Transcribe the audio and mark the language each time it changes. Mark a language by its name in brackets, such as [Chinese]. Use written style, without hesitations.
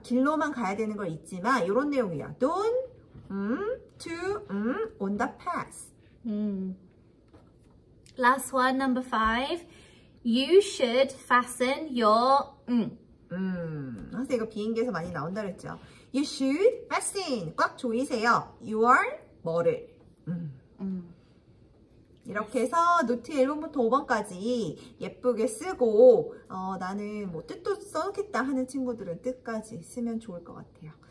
[Korean] 길로만 가야 되는 걸 잊지 마. 이런 내용이야. [English] Don't to on the path. Last one, number five. You should fasten your [Korean] 선생님 이거 비행기에서 많이 나온다 그랬죠. [English] You should fasten [Korean] 꽉 조이세요. Your 뭐를 이렇게 해서 노트 1번부터 5번까지 예쁘게 쓰고 나는 뭐 뜻도 써놓겠다 하는 친구들은 뜻까지 쓰면 좋을 것 같아요.